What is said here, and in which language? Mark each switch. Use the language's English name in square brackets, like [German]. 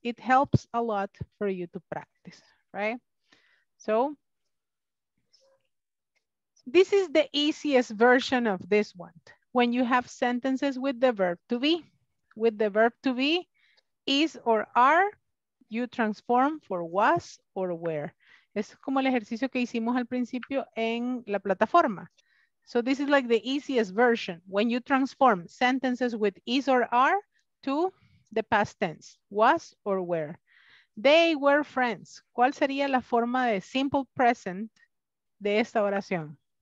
[English] It helps a lot for you to practice, right? So, this is the easiest version of this one. When you have sentences with the verb to be, is or are, you transform for was or were. [Spanish] Es como el ejercicio que hicimos al principio en la plataforma. [English] So, this is like the easiest version. When you transform sentences with is or are to the past tense, was or were. They were friends. [Spanish] ¿Cuál sería la forma de simple present de esta oración?